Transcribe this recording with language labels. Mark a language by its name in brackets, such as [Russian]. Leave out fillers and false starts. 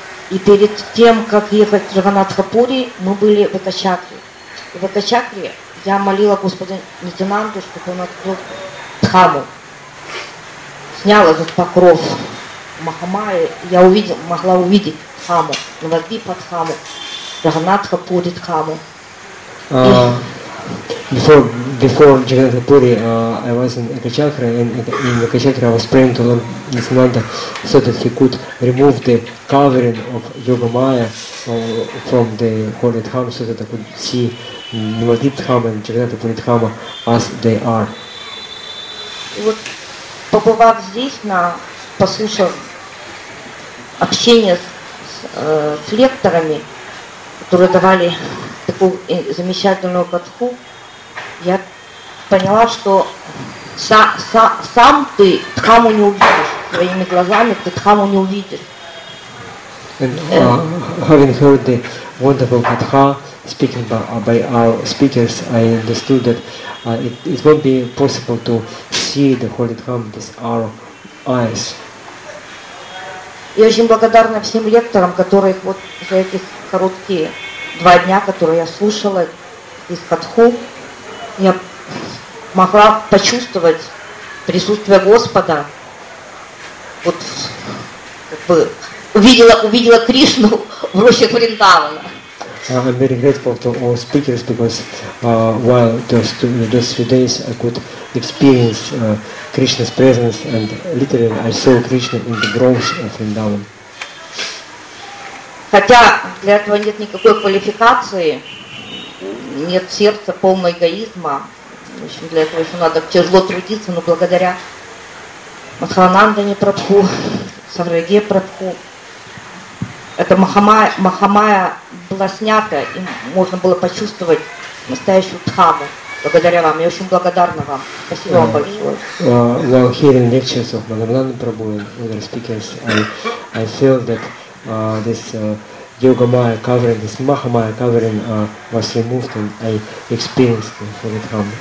[Russian] И перед тем, как ехать в Джаганнатхапури, мы были в Экачакре. И в Экачакре я молила Господа Нитянанду, чтобы он открыл Дхаму. Снял этот покров Махамаи. Я могла увидеть Дхаму, Навадвипа Дхаму, Джаганнатхапури Дхаму. [English] Before Jagannathapuri, I was in Ekachakra, and in Ekachakra I was praying to Lord Nityananda so that he could remove the covering of Yoga Maya from the Holy Dhamma, so that I could see Nivadip Dhamma and Jagannathapuri Dhamma as they are. [Russian] Вот, побывав здесь, послушав общение с лекторами, которые давали такую замечательную катху, я поняла, что сам ты Дхаму не увидишь своими глазами, ты Дхаму не увидишь. [English] And having heard the wonderful Katha speaking by our speakers, I understood that it won't be possible to see the Holy Dhamma with our eyes. [Russian] Я очень благодарна всем лекторам, которые вот за эти короткие два дня, которые я слушала из Катху, я могла почувствовать присутствие Господа. Вот как бы увидела Кришну в роще Вриндавана. [English] I'm very grateful to all speakers because while those few days I could experience Krishna's presence and literally I saw Krishna in the grove of Vrindavan. [Russian] Хотя для этого нет никакой квалификации. нет сердца, полного эгоизма. В общем, для этого еще надо тяжело трудиться, но благодаря Махаранандане Прабху, Сарваге Прабху, эта Махамая была снята, и можно было почувствовать настоящую дхаму. Благодаря вам. Я очень благодарна вам. Спасибо вам большое. [English] While hearing lectures of Махаранандане Прабху and other speakers, I feel that this Yoga Maya covering, this Maha Maya covering was removed and I experienced it for the time.